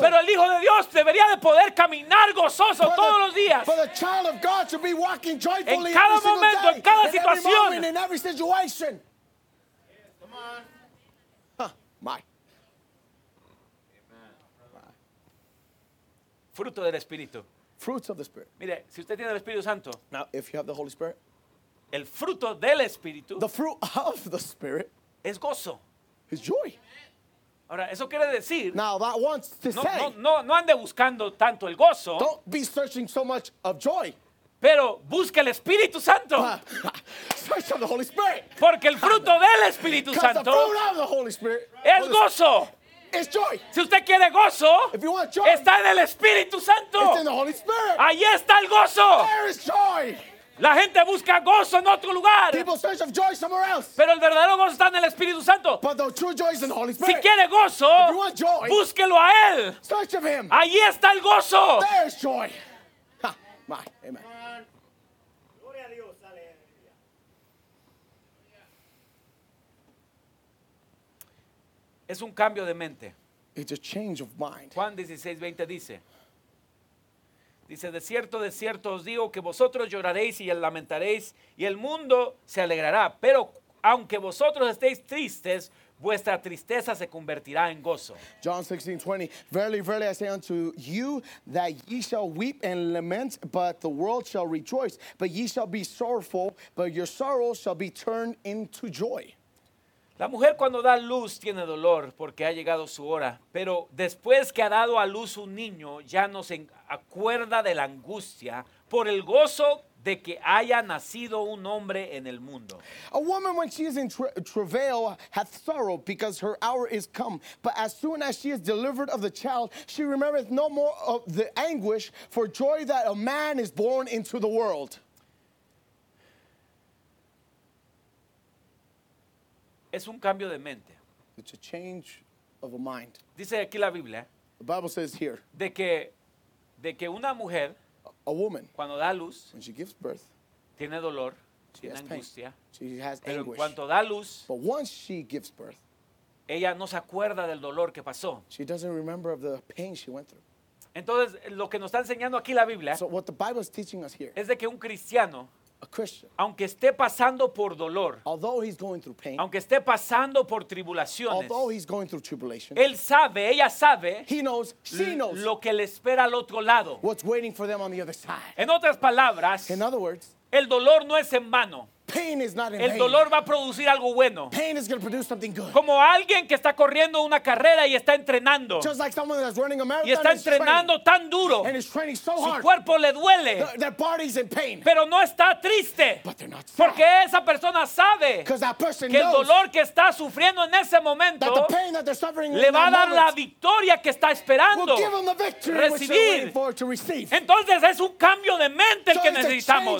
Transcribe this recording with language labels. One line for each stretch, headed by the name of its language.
Spanish: Pero el Hijo de Dios debería de poder caminar gozoso todos los días.
English: Child of God should be walking joyfully
Spanish: en cada
English: every
Spanish: momento,
English: single day,
Spanish: en cada
English: in
Spanish: situación.
English: Every moment, in every situation. Come on. Huh, my.
Spanish: Fruto del Espíritu.
English: Fruits of the Spirit.
Spanish: Mire, si usted tiene el Espíritu Santo.
English: Now, if you have the Holy Spirit.
Spanish: El fruto del Espíritu.
English: The fruit of the Spirit.
Spanish: Es gozo.
English: Is joy.
Spanish: Ahora, eso quiere decir,
English: now, that wants to
Spanish: no,
English: say,
Spanish: no ande buscando tanto el gozo,
English: don't be searching so much of joy.
Spanish: Pero busque el Espíritu Santo.
English: Search of the Holy Spirit.
Spanish: Porque el fruto del Espíritu Santo
English: the fruit of the Holy Spirit,
Spanish: es gozo.
English: It's joy.
Spanish: Si usted quiere gozo,
English: if you want joy,
Spanish: está en el Espíritu Santo.
English: It's in the Holy Spirit.
Spanish: Allí está el gozo.
English: There is joy.
Spanish: La gente busca gozo en otro lugar.
English: People search of joy somewhere else.
Spanish: Pero el verdadero gozo está en el Espíritu Santo.
English: But the true joy is in the Holy Spirit.
Spanish: Si quiere gozo,
English: if you want joy,
Spanish: búsquelo a él.
English: Search of him.
Spanish: Allí está el gozo.
English: There is joy. Ha. My. Amen.
Spanish: Gloria a Dios. Aleluya. Es un cambio de mente.
English: It's a change of mind.
Spanish: Juan 16:20 dice. Dice, de cierto os digo que vosotros lloraréis y lamentaréis y el mundo se alegrará. Pero aunque vosotros estéis tristes, vuestra tristeza se convertirá en gozo.
English: John 16:20, verily, verily, I say unto you that ye shall weep and lament, but the world shall rejoice. But ye shall be sorrowful, but your sorrow shall be turned into joy.
Spanish: La mujer cuando da luz tiene dolor porque ha llegado su hora, pero después que ha dado a luz un niño ya no se acuerda de la angustia por el gozo de que haya nacido un hombre en el mundo.
English: A woman when she is in travail hath sorrow because her hour is come, but as soon as she is delivered of the child she remembereth no more of the anguish for joy that a man is born into the world.
Spanish: Es un cambio de mente.
English: It's a change of a mind.
Spanish: Dice aquí la Biblia.
English: The Bible says here.
Spanish: De que una mujer.
English: A woman.
Spanish: Cuando da luz.
English: When she gives birth.
Spanish: Tiene dolor. Tiene angustia.
English: She has anguish.
Spanish: Pero en cuanto da luz.
English: But once she gives birth.
Spanish: Ella no se acuerda del dolor que pasó.
English: She doesn't remember of the pain she went through.
Spanish: Entonces, lo que nos está enseñando aquí la Biblia.
English: So what the Bible is teaching us here.
Spanish: Es de que un cristiano.
English: A Christian,
Spanish: aunque esté pasando por dolor,
English: although he's going through pain,
Spanish: aunque esté pasando por tribulaciones,
English: although he's going through tribulation,
Spanish: él sabe, ella sabe,
English: he knows, she knows,
Spanish: lo que le espera al otro lado,
English: what's waiting for them on the other side.
Spanish: En otras palabras,
English: in other words,
Spanish: el dolor no es en vano.
English: Pain is not in
Spanish: el dolor va a producir algo bueno.
English: Pain is going to produce something good.
Spanish: Como alguien que está corriendo una carrera y está entrenando.
English: Just like someone that's running a marathon
Spanish: y está entrenando tan duro.
English: And is training so hard.
Spanish: Su cuerpo le duele.
English: Their body's in pain.
Spanish: Pero no está triste.
English: But they're not sad.
Spanish: Porque esa persona sabe que el dolor que está sufriendo en ese momento
English: that the pain that they're suffering
Spanish: le va a dar la victoria que está esperando
English: will give them the victory
Spanish: recibir.
English: Which they're waiting for to receive.
Spanish: Entonces es un cambio de mente el que necesitamos.